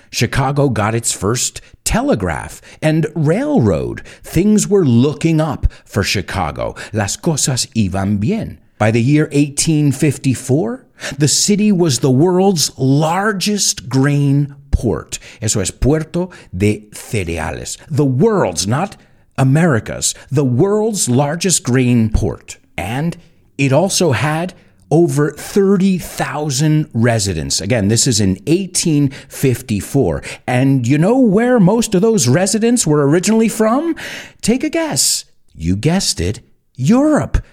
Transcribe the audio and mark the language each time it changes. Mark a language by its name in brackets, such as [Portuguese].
[English] Chicago got its first telegraph and railroad. Things were looking up for Chicago. [Spanish] Las cosas iban bien. [English] By the year 1854, the city was the world's largest grain port. [Spanish] Eso es Puerto de Cereales. [English] The world's, not America's, the world's largest grain port. And it also had over 30,000 residents. Again, this is in 1854. And you know where most of those residents were originally from? Take a guess. You guessed it. Europe.